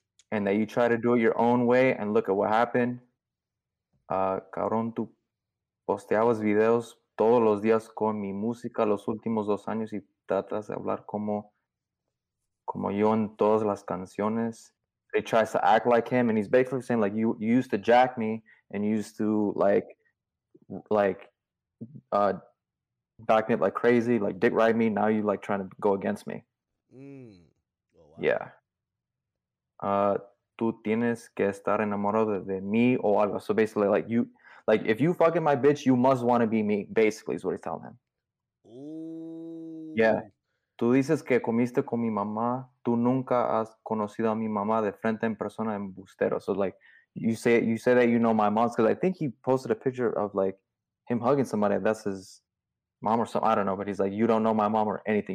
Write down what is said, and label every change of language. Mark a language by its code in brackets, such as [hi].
[en] And that you try to do it your own way and look at what happened. [es] Cabrón, tú posteabas videos todos los días con mi música los últimos dos años y tratas de hablar como yo en todas las canciones. [en] He tries to act like him, and he's basically saying, like, you used to jack me, and you used to, like, back me up like crazy, like, dick ride me. Now you, like, trying to go against me. Mm. Oh, wow. Yeah. [es] Tú tienes que estar enamorado de mí o algo. [en] So basically, like, if you fucking my bitch, you must want to be me, basically, is what he's telling him. Ooh. [es] Yeah. Tú dices que comiste con mi mamá. Tú nunca has conocido a mi mamá de frente en persona en Bustero. [en] So, like, you say that you know my mom's, because I think he posted a picture of, like, him hugging somebody. That's his mom or something. I don't know. But he's like, you don't know my mom or anything.